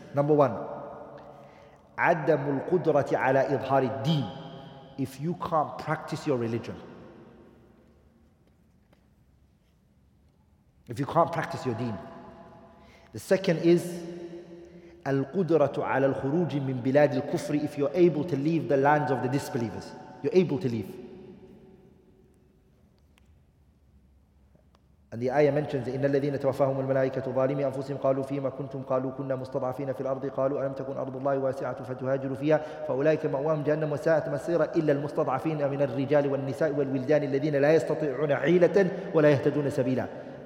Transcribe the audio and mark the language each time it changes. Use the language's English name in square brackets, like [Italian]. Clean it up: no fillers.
[English] Number one, [Arabic] عدم القدرة على إظهار الدين. [English] If you can't practice your religion, if you can't practice your deen. The second is [Arabic] القدرة على الخروج من بلاد الكفر. [English] If you're able to leave the lands of the disbelievers, you're able to leave. And the ayah mentions, [Arabic] إِنَّ الَّذِينَ تَوَفَّاهُمُ الْمَلَائِكَةُ ظَالِمِي أَنفُسِهِمْ قَالُوا فِيمَ كُنْتُمْ قَالُوا كُنَّا مُسْتَضْعَفِينَ فِي الْأَرْضِ قَالُوا أَلَمْ تَكُنْ أَرْضُ اللَّهِ وَاسِعَةً فَتُهَاجِرُوا فِيهَا فَأُولَئِكَ مَأْوَاهُمْ جَهَنَّمُ وَسَاءَتْ مَصِيرًا إِلَّا الْمُسْتَضْعَفِينَ مِنَ الرِّجَالِ وَالنِّسَاءِ وَالْوِلْدَانِ الَّذِينَ لَا يَسْتَطِيعُونَ حِيلَةً وَلَا يَهْتَدُونَ سَبِيلًا.